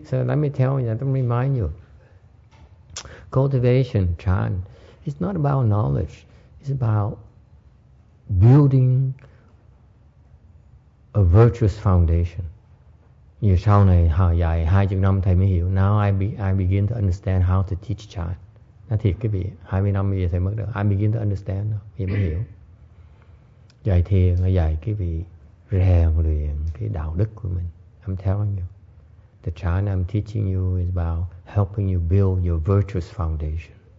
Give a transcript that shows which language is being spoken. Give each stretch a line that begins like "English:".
English: So let me tell you, let me remind you, cultivation, chan, it's not about knowledge, it's about building a virtuous foundation.
Vietnamese: Như sau này hồi dài 20 năm thầy mới hiểu.
English: Now I begin to understand how to teach chan.
Vietnamese: Nói thiệt quý vị, 20 năm bây giờ thầy mất được.
English: I begin to understand,
Vietnamese: thầy mới hiểu. Dạy thiền là dạy cái vị rèn luyện cái đạo đức của mình.
English: I'm telling you, the chan I'm teaching you is about helping you build your virtuous foundation.